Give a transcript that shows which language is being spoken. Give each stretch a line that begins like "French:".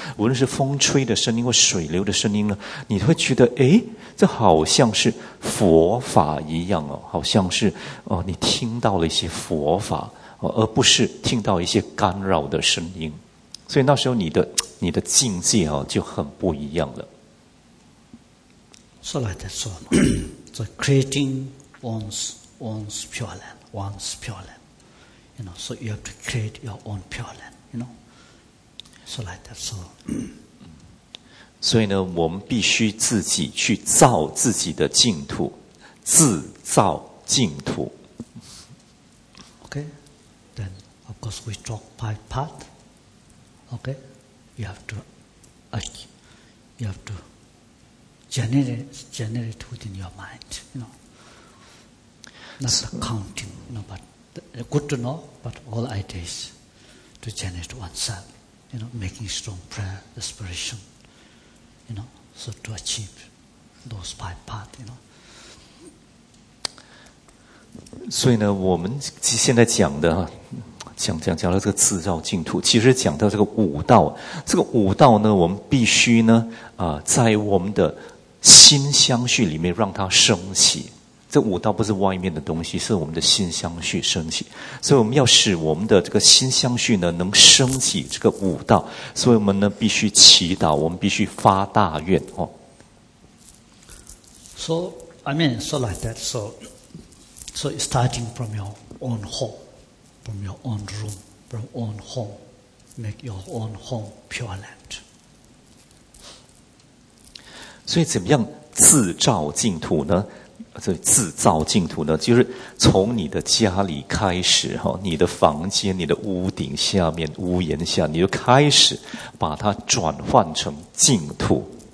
Chinese: 无论是风吹的声音或水流的声音呢，你会觉得这好像是佛法一样哦，好像是你听到了一些佛法，而不是听到一些干扰的声音，所以那时候你的境界哦就很不一样了。
English: So like that, so, so creating one's pure land, one's pure land, you know. So you have to create your own pure land, you know. So like that, so.
Chinese: 所以呢，我们必须自己去造自己的净土，自造净土。
English: Okay, then of course we talk by part. Okay, you have to generate within your mind. You know, not the counting, no, but good to know, but all ideas to generate oneself, you know, making strong prayer, aspiration, you know, so to achieve those five paths, you know.
Chinese: 所以呢，我们现在讲的讲到这个自照净土，其实讲到这个五道。这个五道呢，我们必须呢在我们的心相续里面让它升起。这五道不是外面的东西，是我们的心相续升起。所以我们要使我们的这个心相续呢能升起这个五道，所以我们呢必须祈祷，我们必须发大愿哦。
English: So I mean, so like that, so. So starting from your own home, from your own room, from your own home, make your own home pure land.
Chinese: 所以怎么样自照净土呢？所以自照净土呢，就是从你的家里开始，你的房间、你的屋顶下面、屋檐下，你就开始把它转换成净土。